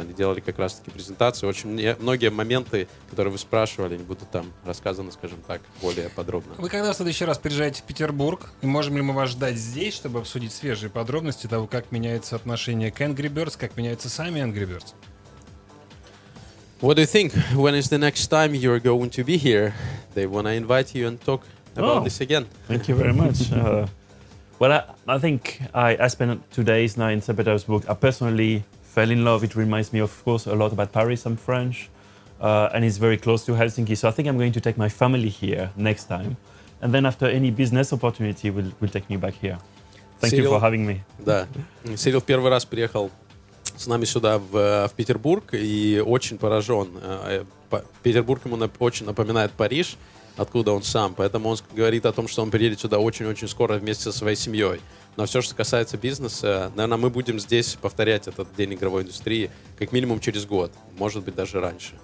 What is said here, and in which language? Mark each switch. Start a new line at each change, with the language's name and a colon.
Russian: Они делали как раз-таки презентацию. Очень многие моменты, которые вы спрашивали, они будут там рассказаны, скажем так, более подробно. Вы когда в следующий раз приезжаете в Петербург? И можем ли мы вас ждать здесь, чтобы обсудить свежие подробности того, как меняется отношение к Angry Birds, как меняются сами Angry Birds?
English: What do you think? When is the next time you're going to be here? They want to invite you and talk about this again. Thank you very much. Well, I think I spent 2 days now in St. Petersburg. I personally fell in love. It reminds me, of course, a lot about Paris. I'm French, and it's very close to Helsinki. So I think I'm going to take my family here next time. And then after any business opportunity, will take me back here. Thank you for having me.
Russian: Да. Сирил в первый раз приехал с нами сюда в Петербург и очень поражен. Петербург ему очень напоминает Париж, откуда он сам. Поэтому он говорит о том, что он приедет сюда очень-очень скоро вместе со своей семьей. Но все, что касается бизнеса, наверное, мы будем здесь повторять этот день игровой индустрии как минимум через год, может быть, даже раньше.